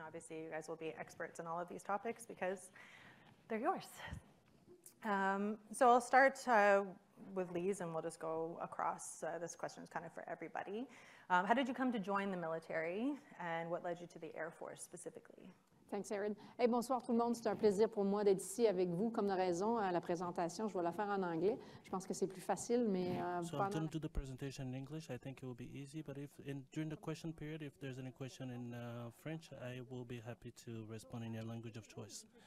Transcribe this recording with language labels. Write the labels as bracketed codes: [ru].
[en] Obviously, you guys will be experts in all of these topics because they're yours. So I'll start with Lise, and we'll just go across. This question is kind of for everybody. How did you come to join the military, and what led you to the Air Force specifically? Thanks, Erin. Hey, [fr] bonsoir tout le monde. C'est un plaisir pour moi d'être ici avec vous. Comme de raison, la présentation, je vais la faire en anglais. Je pense que c'est plus facile, mais... [en] So I'm going to do the presentation in English. I think it will be easy, but if in, during the question period, if there's any question in French, I will be happy to respond in your language of choice.